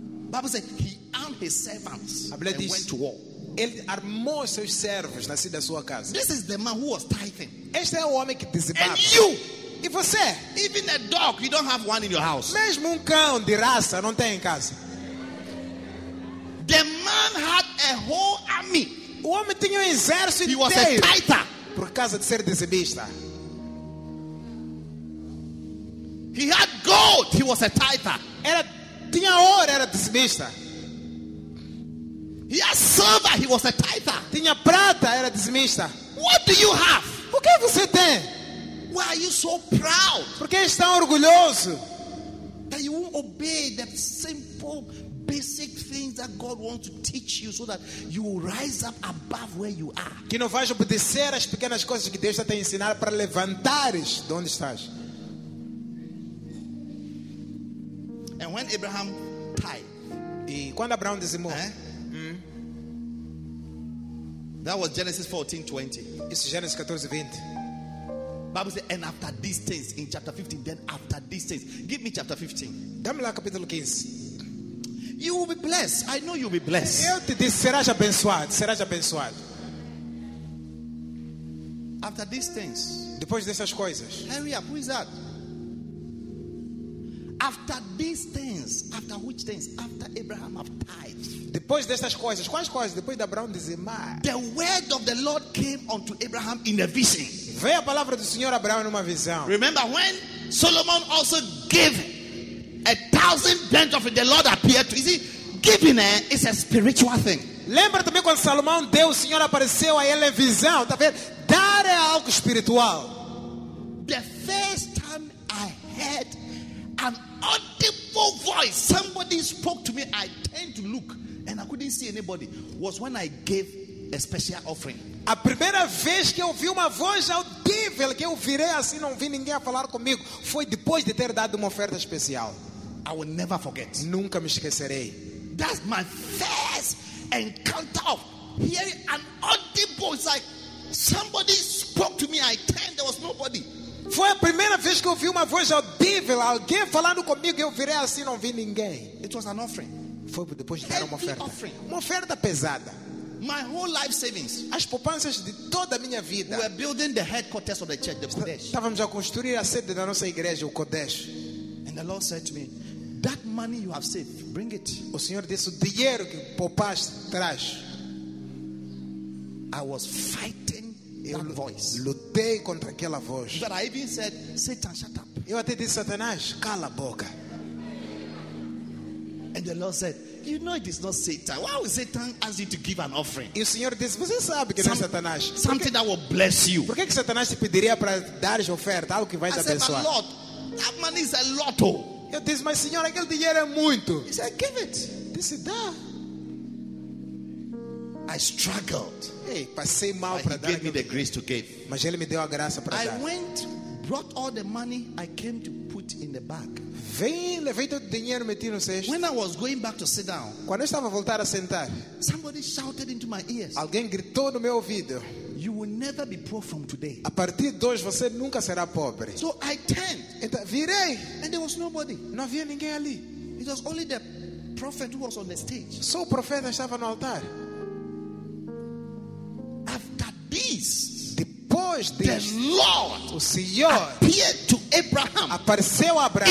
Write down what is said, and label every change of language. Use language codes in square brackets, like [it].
[en] Bible said he armed his servants and went to war. [pt] Ele armou seus servos nasci da sua casa. [en] This is the man who was tithing. [pt] Este é o homem que dizimava. [en] And you. [pt] E você? [en] Even a dog, you don't have one in your house. [pt] Mesmo cão de raça, não tem em casa. [en] The man had a whole army. [pt] O homem tinha exército inteiro. [en] He was a tither. [pt] Por causa de ser dizimista. [en] He had gold. He was a tither. [pt] Era, tinha ouro, era dizimista. [en] He had silver. He was a tither. [pt] Tinha prata, era dizimista. [en] What do you have? [pt] O que você tem? [en] Why are you so proud? [pt] Por que está orgulhoso? [en] That you won't obey the simple, basic things that God wants to teach you so that you will rise up above where you are. [pt] Que não vais obedecer às pequenas coisas que Deus está te ensinando para levantares de onde estás. [en] And when Abraham died, [pt] e quando Abraão dizimou, [en] That was Genesis 14:20. [pt] Isso é Gênesis 14:20. [en] Bible says, and after these things in chapter 15, then after these things, give me chapter 15. [pt] Dá-me lá capítulo 15. [en] You will be blessed. I know you will be blessed. [pt] Eu te disse, serás abençoado. Serás abençoado. [en] After these things. [pt] Depois dessas coisas. [en] Hurry up, who is that? After these things. After which things? After Abraham have died. [pt] Depois dessas coisas. Quais coisas? Depois de Abraão dizimar. [en] The word of the Lord came unto Abraham in a vision. [pt] Veio a palavra do Senhor Abraão numa visão. [en] Remember when Solomon also gave 1,000 burnt offering, the Lord appeared to him. Giving it is a spiritual thing. [pt] Lembra também quando Salomão deu, o Senhor apareceu a ele em visão. Tá vendo? Dar é algo espiritual. [en] The first time I heard an audible voice, somebody spoke to me, I turned to look and I couldn't see anybody, was when I gave a special offering. [pt] A primeira vez que eu ouvi uma voz audível, que eu virei assim, não vi ninguém a falar comigo, foi depois de ter dado uma oferta especial. [en] I will never forget. [pt] Nunca me esquecerei. [en] That's my first encounter of hearing an audible. It's like somebody spoke to me, I turned, there was nobody. [pt] Foi a primeira vez que eu ouvi uma voz audível, alguém falando comigo, eu virei assim, não vi ninguém. [en] It was an offering. [pt] Foi depois de dar uma oferta. [en] Offering. [pt] Uma oferta pesada. [en] My whole life savings. [pt] As poupanças de toda a minha vida. [en] We were building the headquarters of the church, the Kodesh. [pt] Estávamos a construir a sede da nossa igreja, o Kodesh. [en] And the Lord said to me, that money you have saved, bring it. [pt] O Senhor disse, o dinheiro que poupaste, traz. [en] I was fighting that voice. [pt] Lutei contra aquela voz. [en] But I even said, Satan, shut up. [pt] Eu até disse, Satanás, cala a boca. [en] And the Lord said, you know it is not Satan. Why would Satan ask you to give an offering? [pt] E o Senhor disse, você sabe que não é Satanás. [en] Something that will bless you. [pt] Por que Satanás te pediria para dar oferta, algo que vai te abençoar? [en] I said, my Lord, that money is a lot. [pt] Eu disse, mas Senhor, aquele dinheiro é muito. [en] He said, give it. [pt] Disse, dá. [en] I struggled. [pt] Hey, passei mal para dar. [en] He gave me the grace to give. [pt] Mas ele me deu a graça para dar. [en] I went, brought all the money I came to put in the bag. When I was going back to sit down, [pt] quando eu estava a voltar a sentar, [en] somebody shouted into my ears. [pt] Alguém gritou no meu ouvido. [en] You will never be poor from today. [pt] A partir de hoje você nunca será pobre. [en] So I turned. [pt] Então, virei. [en] And there was nobody. [pt] Não havia ninguém ali. [en] It was only the prophet who was on the stage. [pt] Só o profeta estava no altar. [en] After this, [pt] depois de [en] the Lord, [pt] o Senhor [en] appeared to Abraham. [pt] Apareceu a Abraão.